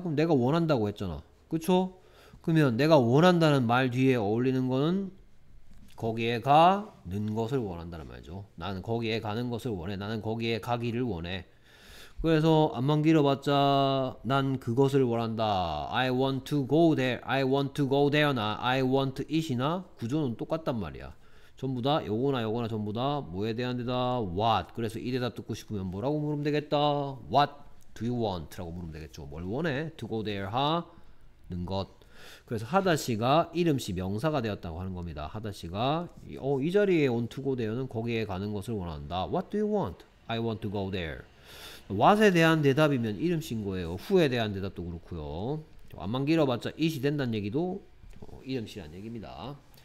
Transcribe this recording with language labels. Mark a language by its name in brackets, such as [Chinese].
[Korean] 그럼 내가 원한다고 했잖아. 그쵸? 그러면 내가 원한다는 말 뒤에 어울리는 거는 거기에 가는 것을 원한다는 말이죠. 나는 거기에 가는 것을 원해. 나는 거기에 가기를 원해. 그래서 앞만 길어봤자 난 그것을 원한다. [English] I want to go there. I want to go there나 I want it이나 [Korean] 구조는 똑같단 말이야. 전부 다 요거나 요거나 전부 다 뭐에 대한 대답 what. 그래서 이 대답 듣고 싶으면 뭐라고 물으면 되겠다. [English] What do you want라고 [Korean] 물으면 되겠죠. 뭘 원해? [English] To go there [Korean] 하는 것. 그래서 하다시가 이름시 명사가 되었다고 하는 겁니다. 하다시가 이 자리에 온 [English] to go there [Korean] 는 거기에 가는 것을 원한다. [English] What do you want? I want to go there. [Korean] What에 대한 대답이면 이름시인 거예요. Who에 대한 대답도 그렇고요. 앞만 길어봤자 it이 된다는 얘기도 이름시란 얘기입니다.